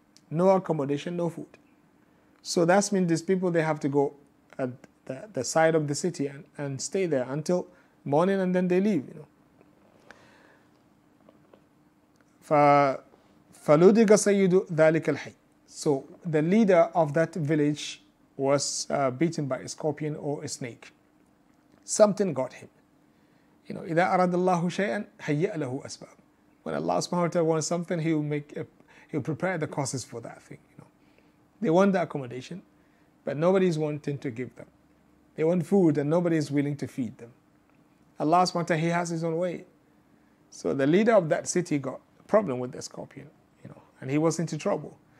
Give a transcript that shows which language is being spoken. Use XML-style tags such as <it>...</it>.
<en>No accommodation, no food. So that means these people, they have to go at the side of the city and stay there until morning and then they leave. You know.</en> <ar>فَلُدِقَ سَيِّدُ ذَلِكَ الْحَيِّ.</ar> <en>So the leader of that village was beaten by a scorpion or a snake. Something got him. You know,</en> <ar>إِذَا أَرَدَ اللَّهُ شَيْئًا هَيَّأَ لَهُ أَسْبَابٍ.</ar> <en>When Allah subhanahu wa ta'ala wants something, He'll prepare the causes for that thing. You know, they want the accommodation, but nobody's wanting to give them. They want food, and nobody's willing to feed them. Allah subhanahu wa ta'ala, He has His own way. So the leader of that city got a problem with the scorpion, you know, and he was into trouble.</en>